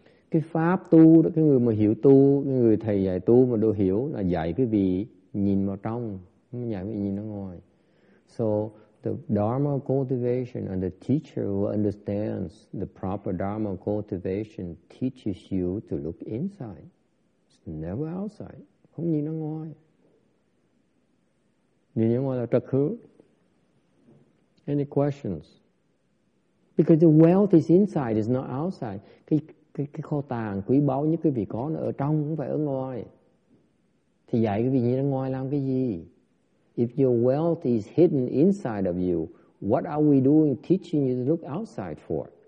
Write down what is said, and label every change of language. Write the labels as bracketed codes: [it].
[vi] Cái pháp tu đó, cái người mà hiểu tu, cái người thầy dạy tu mà đều hiểu là dạy cái vị nhìn vào trong, không dạy cái vị nhìn ra ngoài. [en] So, the Dharma cultivation and the teacher who understands the proper Dharma cultivation teaches you to look inside. It's never outside. [vi] Không nhìn ra ngoài. Nhìn ra ngoài là trật khứ. [en] Any questions? Because the wealth is inside, it's not outside. [vi] Cái kho tàng quý báu nhất quý vị có nó ở trong, không phải ở ngoài. Thì dạy quý vị như ở ngoài làm cái gì? [en] If your wealth is hidden inside of you, what are we doing teaching you to look outside for?